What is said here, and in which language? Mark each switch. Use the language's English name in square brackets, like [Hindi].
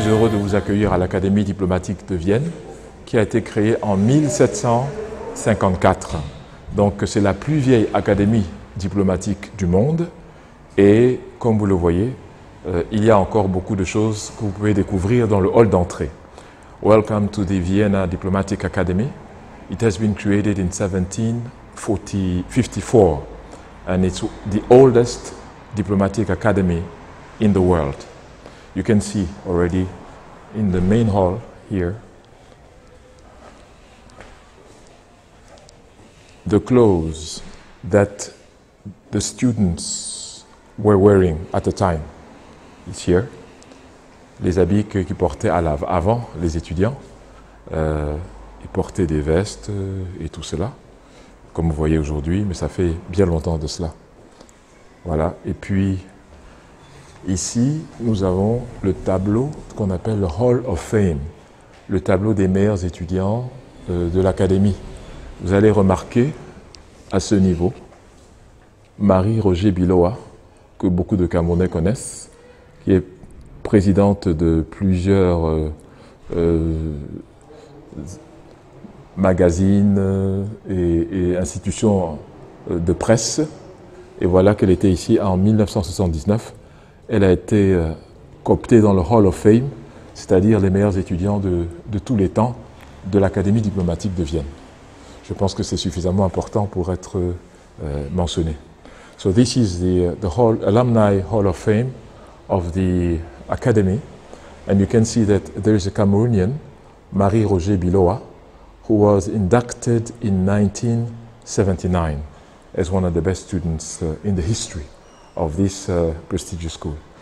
[French] de vous accueillir à l'Académie diplomatique de Vienne, qui a été créée en 1754. Donc c'est la plus vieille académie diplomatique du monde. Et comme vous le voyez, il y a encore beaucoup de choses que vous pouvez découvrir dans le hall d'entrée. [English] Welcome to the Vienna Diplomatic Academy. It has been created in 1754 and it's the oldest diplomatic academy in the world. You can see already in the main hall here the clothes that the students were wearing at the time. It's here. [French] Les habits qu'ils portaient avant, les étudiants, ils portaient des vestes et tout cela, comme vous voyez aujourd'hui, mais ça fait bien longtemps de cela. Voilà, et puis ici, nous avons le tableau qu'on appelle le Hall of Fame, le tableau des meilleurs étudiants de l'Académie. Vous allez remarquer, à ce niveau, Marie-Roger Biloa, que beaucoup de Camerounais connaissent, qui est présidente de plusieurs magazines et institutions de presse. Et voilà qu'elle était ici en 1979. Elle a été cooptée dans le Hall of Fame, c'est-à-dire les meilleurs étudiants de tous les temps de l'Académie diplomatique de Vienne. Je pense que c'est suffisamment important pour être mentionné. [English] So this is the Hall, Alumni Hall of Fame of the Academy, and you can see that there is a Cameroonian, Marie-Roger Biloa, who was inducted in 1979 as one of the best students in the history of this prestigious school.